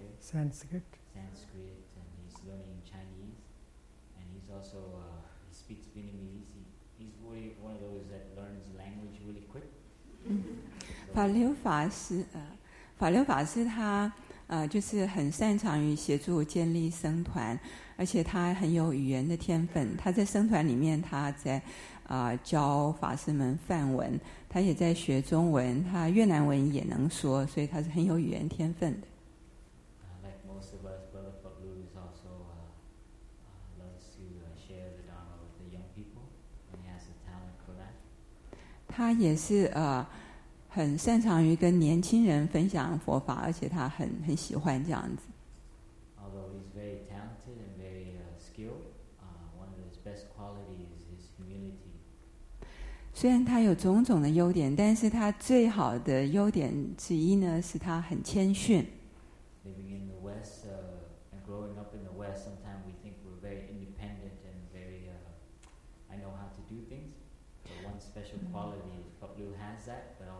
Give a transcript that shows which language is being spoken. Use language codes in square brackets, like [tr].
[en] Sanskrit, and he's learning Chinese, and he's also he speaks Vietnamese. He, He's really one of those that learns language really quick. [zh] 法流法师，法流法师他就是很擅长于协助建立僧团，而且他很有语言的天分。他在僧团里面，他在教法师们梵文，他也在学中文，他越南文也能说，所以他是很有语言天分的。 [en] Like most of us, Brother Fok Lu is also loves to share the Dharma with the young people, and he has a talent for that. [zh] 他也是很擅长于跟年轻人分享佛法，而且他很喜欢这样子。 [en] Although he's very talented and very skilled, one of his best qualities is his humility. [zh] 虽然他有种种的优点，但是他最好的优点之一呢，是他很谦逊。 [en] Living in the West, and growing up in the West, sometimes we think we're very independent and very, I know how to do things. But one special quality is Fok Lu has that.